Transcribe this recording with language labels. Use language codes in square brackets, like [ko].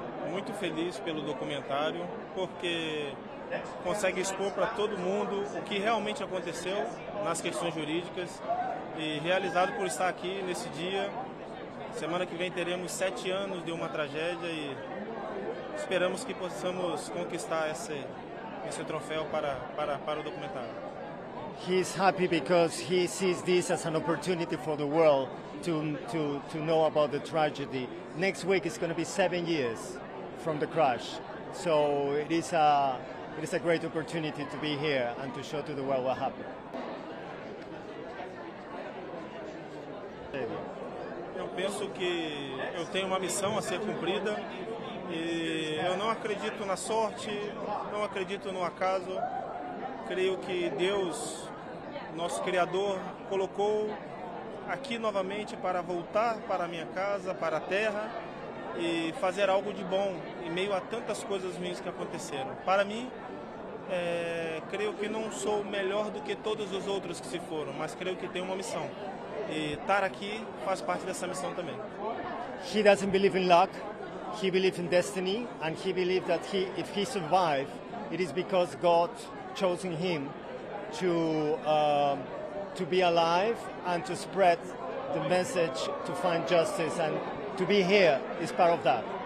[pt] Muito feliz pelo documentário, porque consegue expor para todo mundo o que realmente aconteceu nas questões jurídicas. E realizado por estar aqui nesse dia. Semana que vem teremos 7 anos de uma tragédia e esperamos que possamos conquistar esse troféu para o documentário. [en] He's happy because he sees this as an opportunity for the world to know about the tragedy. Next week is going to be 7 years from the crash. So it is a great opportunity to be here and to show to the world what happened. [pt] Eu penso que eu tenho uma missão a ser cumprida e eu não acredito na sorte, não acredito no acaso. Creio que Deus, nosso Criador, colocou aqui novamente para voltar para a minha casa, para a terra e fazer algo de bom em meio a tantas coisas ruins que aconteceram. Para mim, creio que não sou melhor do que todos os outros que se foram, mas creio que tenho uma missão. E estar aqui faz parte dessa missão também. [en] He doesn't believe in luck. He believes in destiny, and he believes that if he survive, it is because God chosen him to be alive and to spread the message to find justice, and to be here is part of that.